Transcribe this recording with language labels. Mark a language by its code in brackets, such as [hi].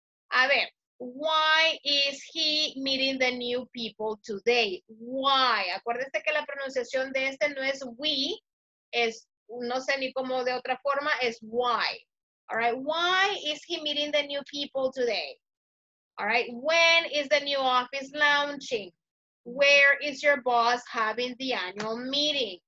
[es] A ver, [en] why is he meeting the new people today? Why? [es] Acuérdese que la pronunciación de este no es we, es no sé ni cómo de otra forma, es why. [en] All right, why is he meeting the new people today? All right, when is the new office launching? Where is your boss having the annual meeting?